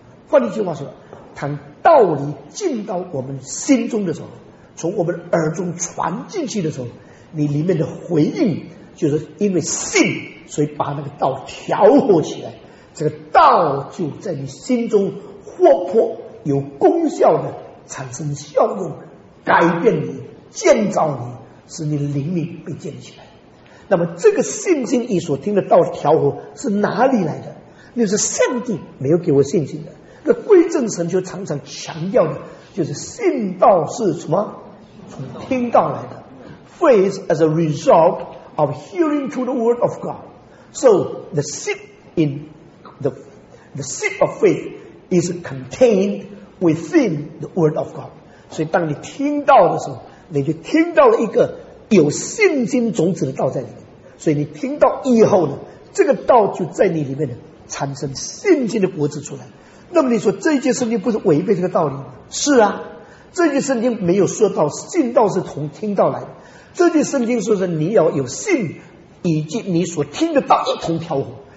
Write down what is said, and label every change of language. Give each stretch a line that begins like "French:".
Chinese: 换一句话说，当道理进到我们心中的时候，从我们耳中传进去的时候，你里面的回应就是因为信，所以把那个道调和起来，这个道就在你心中活泼有功效的产生效用，改变你，建造你，使你的灵命被建起来。那么这个信心你所听的道调和是哪里来的？那是上帝没有给我信心的。那归正神就常常强调的就是信道是什么？从听道来的。
English: Faith as a resultof hearing to the word of God. So the seed of faith is contained within the word of God.
Chinese: 所以当你听到的时候，你就听到了一个有信心种子的道在里面。所以你听到以后呢，这个道就在你里面呢产生信心的果子出来。那么你说这件事情不是违背这个道理吗？是啊，这句圣经没有说到信道是从听道来的，这句圣经说是你要有信以及你所听的道一同飘活。